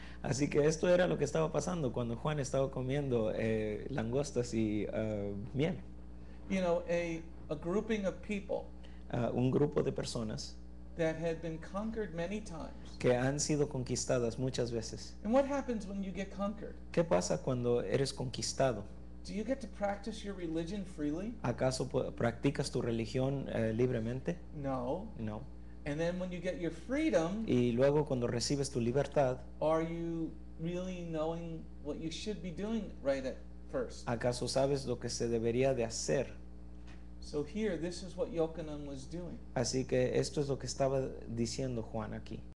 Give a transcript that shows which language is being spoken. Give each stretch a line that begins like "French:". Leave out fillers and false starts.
Spanish: Así que esto era lo que estaba pasando cuando Juan estaba comiendo langostas y miel.
English: You know, a grouping of people
Spanish: un grupo de personas
English: that had been conquered many times.
Spanish: Que han sido conquistadas muchas veces.
English: And what happens when you get conquered?
Spanish: ¿Qué pasa cuando eres conquistado?
English: Do you get to practice your religion freely?
Spanish: ¿Acaso practicas tu religión libremente?
English: No.
Spanish: No.
English: And then when you get your freedom,
Spanish: y luego cuando recibes tu libertad,
English: are you really knowing what you should be doing right at first?
Spanish: ¿Acaso sabes lo que se debería de hacer?
English: So here, this is what Yochanan was doing.
Spanish: Así que esto es lo que estaba diciendo Juan aquí.